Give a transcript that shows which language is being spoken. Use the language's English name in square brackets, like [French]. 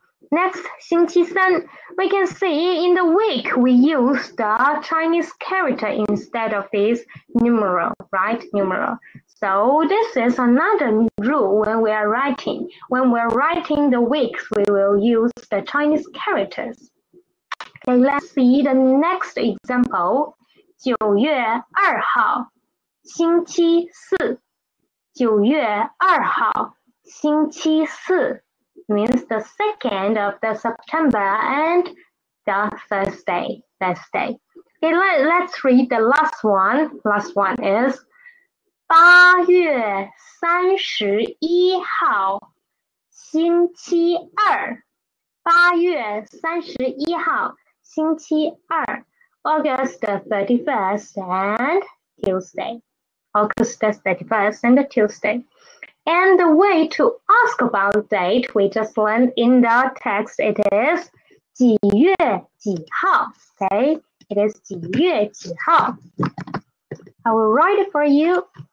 [English] Next, 星期三, we can see in the week, we use the Chinese character instead of this numeral, right? Numeral. So this is another rule when we are writing. When we're writing the weeks, we will use the Chinese characters. Okay, let's see the next example. [Chinese] 九月二号星期四九月二号星期四 [English] means the 2nd of the September and the Thursday. Okay, let's read the last one. Last one is [Chinese] 八月三十一号星期二八月三十一号星期二 [English] August the 31st and Tuesday. August the 31st and the Tuesday. And the way to ask about date we just learned in the text, it is 几月几号, okay? It is 几月几号.I will write it for you.